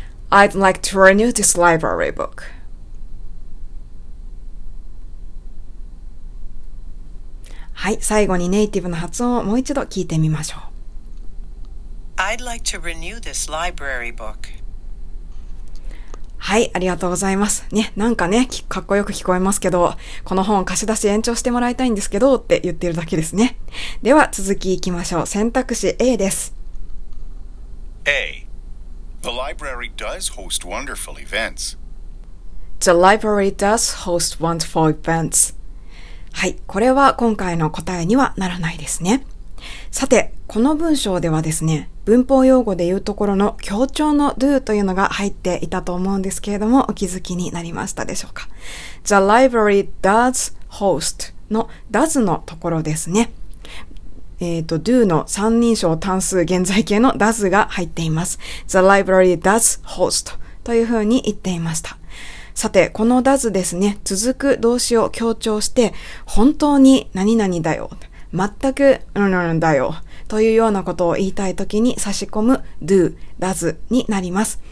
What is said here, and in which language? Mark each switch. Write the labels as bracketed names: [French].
[English] I'd like to renew this library book. [Japanese] はい、最後にネイティブの発音をもう一度聞いてみましょう。 [English] I'd like to renew this library book. [Japanese] はい、ありがとうございます。ね、なんかね、かっこよく聞こえますけど、この本貸し出し延長してもらいたいんですけどって言ってるだけですね。では続きいきましょう。選択肢 A です。 [English] A. The library does host wonderful events. The library does host wonderful events. [Japanese] はい、これは今回の答えにはならないですね。さて、この文章ではですね、文法用語で言うところの強調の do というのが入っていたと思うんですけれども、お気づきになりましたでしょうか。 [English] The library does host [Japanese] の does のところですね。 do の三人称単数現在形の does が入っています。 [English] The library does host [Japanese] というふうに言っていました。さて、この does ですね、続く動詞を強調して、本当に何々だよ。全く、だよ。というようなことを言いたいときに差し込む do, does になります。